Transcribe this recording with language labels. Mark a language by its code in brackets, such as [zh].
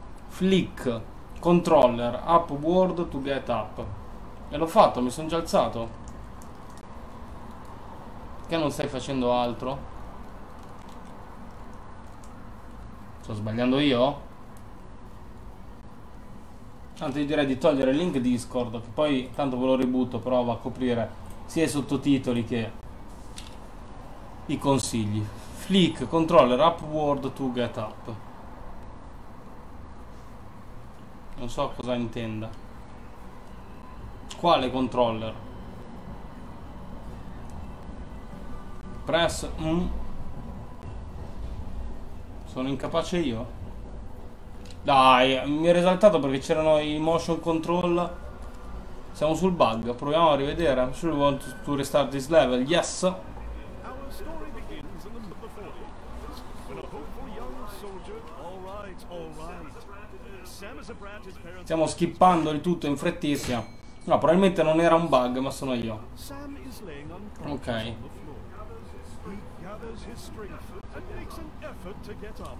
[en] Flick controller upward to get up. [it] E l'ho fatto, mi sono già alzato. Che non stai facendo altro? Sto sbagliando io? Tanto io direi di togliere il link Discord, che poi tanto ve lo ributto, però va a coprire sia i sottotitoli che i consigli. [en] Flick controller upward to get up. [it] Non so cosa intenda. Quale controller? Press Sono incapace io? Dai, mi ero esaltato perché c'erano i motion control. Siamo sul bug, proviamo a rivedere. [en] Should we want to restart this level? Yes. Our story begins in the middle of the 40s, when a hopeful young soldier. Alright, alright. Sam is a brat, his parents. [it] Stiamo skippando il tutto in frettissima. No, probabilmente non era un bug, ma sono io. [en] Sam is laying unconscious on the floor. Ok. He gathers his strength and makes an effort to get up.